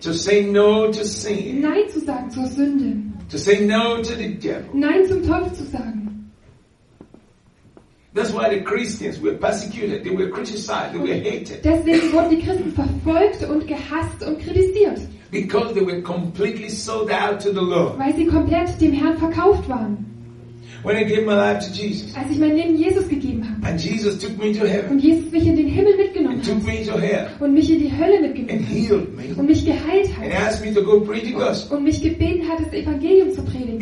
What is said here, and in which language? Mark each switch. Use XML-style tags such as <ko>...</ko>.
<en>To say no to sin.</en> <de>Nein zu sagen zur Sünde.</de> <en>To say no to the devil.</en> <de>Nein zum Teufel zu sagen.</de> <en>That's why the Christians were persecuted. They were criticized. They were hated.</en> <de>Deswegen wurden die Christen verfolgt und gehasst und kritisiert.</de> <en>Because they were completely sold out to the Lord.</en> <de>Weil sie komplett dem Herrn verkauft waren.</de> <en>When I gave my life to Jesus.</en> <de>Als ich mein Leben Jesus gegeben habe.</de> <en>And Jesus took me to heaven.</en> <de>Und Jesus mich in den Himmel mitgenommen</de> <en>took</en> <de>hat.</de> <en>Me to hell.</en> <de>Und mich in die Hölle mitgenommen</de> <en>and healed me.</en> <de>Und mich geheilt hat.</de> <en>And asked me to go preach the gospel.</en> <de>Und mich gebeten hat, das Evangelium zu predigen.</de>